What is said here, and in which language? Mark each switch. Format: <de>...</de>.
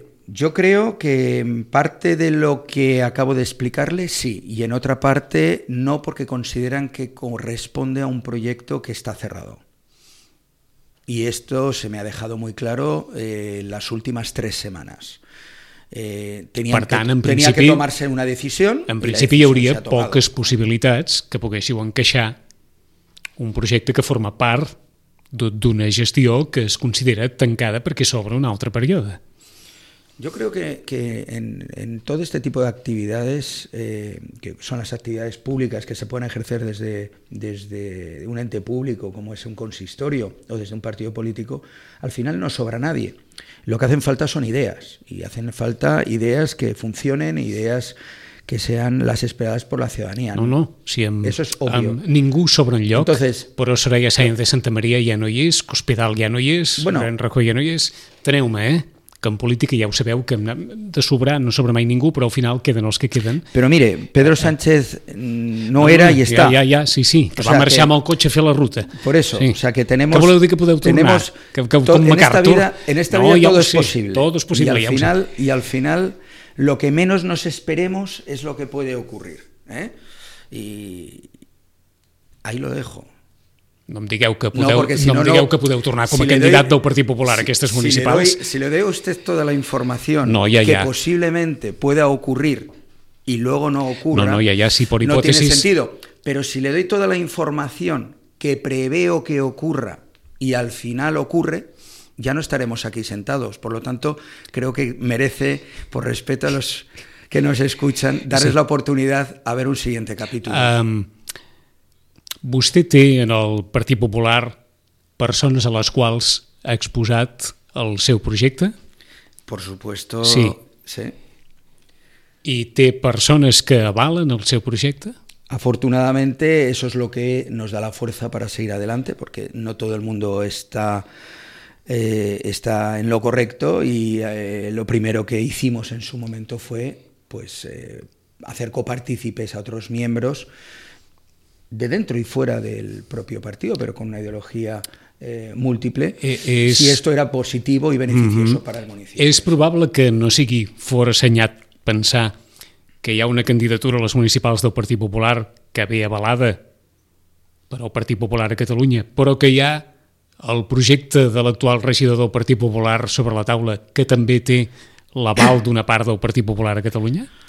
<es>Yo creo que en parte de lo que acabo de explicarle, sí, y en otra parte no, porque consideran que corresponde a un proyecto que está cerrado. Y esto se me ha dejado muy claro las últimas tres semanas. Tenía que tomarse una decisión.</es> <ca>En principi hi hauria poques possibilitats que poguéssiu encaixar un projecte que forma part d'una gestió que es considera tancada perquè s'obre un altre període.</ca> <es>Yo creo que en todo este tipo de actividades, que son las actividades públicas que se pueden ejercer desde un ente público como es un consistorio o desde un partido político, al final no sobra nadie. Lo que hacen falta son ideas, y hacen falta ideas que funcionen, ideas que sean las esperadas por la ciudadanía. No, si eso es obvio.</es> <ca>Ningú sobra en lloc, entonces, però Soraya Sáenz de Santa María ja no hi és, Cospedal ja no hi és, bueno, Gran Rajoy ja no hi és, teneu-me, que en política ja ho sabeu, que de sobrar no sobra mai ningú, però al final queden els que queden. Però mire, Pedro Sánchez no era i està. Ja, sí, sí, que o va marxar amb el cotxe a fer la ruta.</ca> <es>Por eso, sí. O sea que tenemos...</es> <ca>Que voleu dir que podeu tornar? Que tot, com MacArthur?</ca> <es>En esta vida ja todo es posible. Todo es posible,</es> <ca>ja ho sé.</ca> <es>Y al final, lo que menos nos esperemos es lo que puede ocurrir. Y ahí lo dejo.</es> <ca>No em digueu que podeu, que podeu tornar com a candidat del Partit Popular a aquestes municipals.</ca> <es>Si le doy a usted toda la información que posiblemente pueda ocurrir y luego no ocurra, no tiene sentido. Pero si le doy toda la información que preveo que ocurra y al final ocurre, ya no estaremos aquí sentados. Por lo tanto, creo que merece, por respeto a los que nos escuchan, darles la oportunidad a ver un siguiente capítulo.</es> <ca>Vostè té en el Partit Popular persones a les quals ha exposat el seu projecte?</ca> <es>Por supuesto, sí.</es> <ca>I té persones que avalen el seu projecte?</ca> <es>Afortunadamente, eso es lo que nos da la fuerza para seguir adelante, porque no todo el mundo está en lo correcto y lo primero que hicimos en su momento fue pues hacer copartícipes a otros miembros de dentro y fuera del propio partido, pero con una ideología múltiple, si esto era positivo y beneficioso para el municipio.</es> <ca>És probable que no sigui fora assenyat pensar que hi ha una candidatura a les municipals del Partit Popular que ve avalada per el Partit Popular a Catalunya, però que hi ha el projecte de l'actual regidor del Partit Popular sobre la taula que també té l'aval d'una part del Partit Popular a Catalunya?</ca>